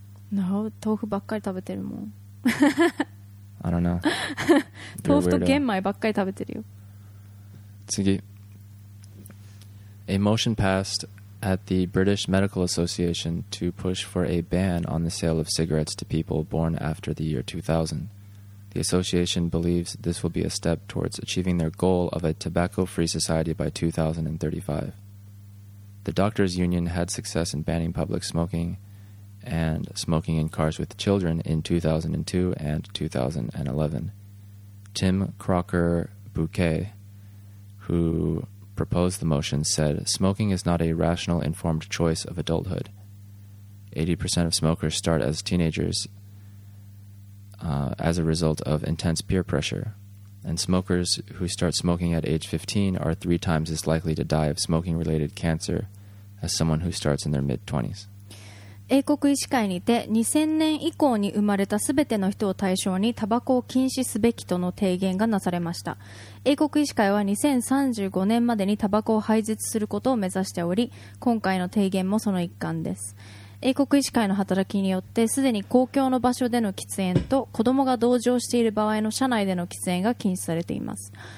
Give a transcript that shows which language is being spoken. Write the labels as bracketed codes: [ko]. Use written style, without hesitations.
[en] No, [ja] 豆腐ばっかり食べてるもん。 [en] I don't know. [ja] 豆腐と玄米ばっかり食べてるよ。次。 [en] A motion passed at the British Medical Association to push for a ban on the sale of cigarettes to people born after the year 2000. The association believes this will be a step towards achieving their goal of a tobacco-free society by 2035. The doctors' union had success in banning public smokingand smoking in cars with children in 2002 and 2011. Tim Crocker Bouquet, who proposed the motion, said, "Smoking is not a rational, informed choice of adulthood. 80% of smokers start as teenagers as a result of intense peer pressure, and smokers who start smoking at age 15 are three times as likely to die of smoking-related cancer as someone who starts in their mid-20s. [ja] 英国医師会にて2000年以降に生まれたすべての人を対象にタバコを禁止すべきとの提言がなされました。英国医師会は2035年までにタバコを廃絶することを目指しており、今回の提言もその一環です。英国医師会の働きによってすでに公共の場所での喫煙と子どもが同乗している場合の車内での喫煙が禁止されています。